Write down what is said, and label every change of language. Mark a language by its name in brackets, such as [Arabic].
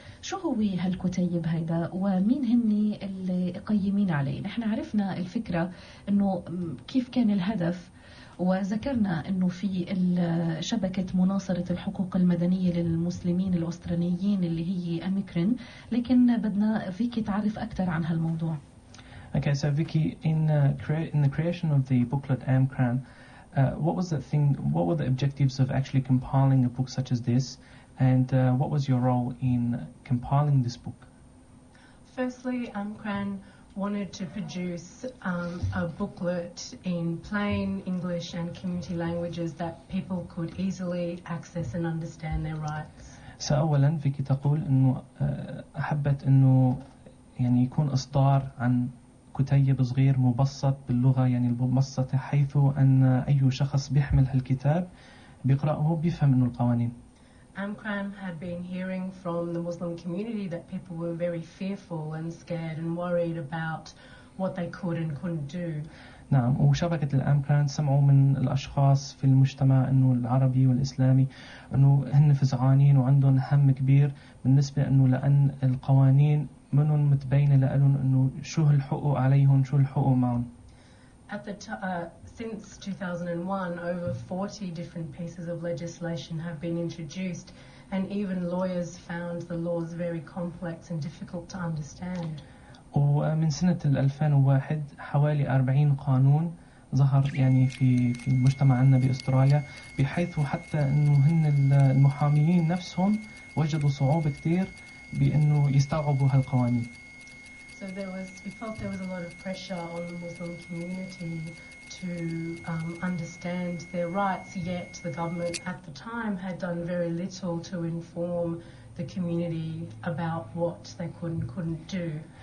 [Arabic] شو هو هالكتيب هيدا ومين هني اللي قيمين عليه؟ نحن عرفنا الفكرة إنه كيف كان الهدف، وذكرنا إنه في شبكة مناصرة الحقوق المدنية للمسلمين الأستراليين اللي هي أميكرين، لكن بدنا فيكي تعرف أكثر عن هالموضوع. [English] Okay, so Vicky, in the creation of the booklet AmCran, what was the thing? What were the objectives of actually compiling a book such as this, and what was your role in compiling this book? Firstly, AmCran wanted to produce a booklet in plain English and community languages that people could easily access and understand their rights. [Arabic] So, أولاً فيكي تقول إنه حبت إنه يعني يكون إصدار عن كتيب صغير مبسط باللغة يعني المبسطة حيث أن أي شخص بيحمل هالكتاب بيقرأه بيفهم إنه القوانين. [English] AmCran had been hearing from the Muslim community that people were very fearful and scared and worried about what they could and couldn't do. [Arabic] نعم، وشبكة الأمكران سمعوا من الأشخاص في المجتمع إنه العربي والإسلامي إنه هن فزعانين وعندهم هم كبير بالنسبة إنه لأن القوانين منهم متبينة لألهم إنه شو الحقوق عليهم شو الحقوق معهم. [English] At the since 2001, over 40 different pieces of legislation have been introduced, and even lawyers found the laws very complex and difficult to understand. [Arabic] ومن سنة 2001 حوالي 40 قانون ظهر يعني في المجتمع عندنا بأستراليا، بحيث حتى إنه هن المحاميين نفسهم وجدوا صعوبة كتير بأنه يستوعبوا هالقوانين. [English] So we felt there was a lot of pressure on the Muslim community to understand their rights, yet the government at the time had done very little to inform the community about what they could and couldn't do.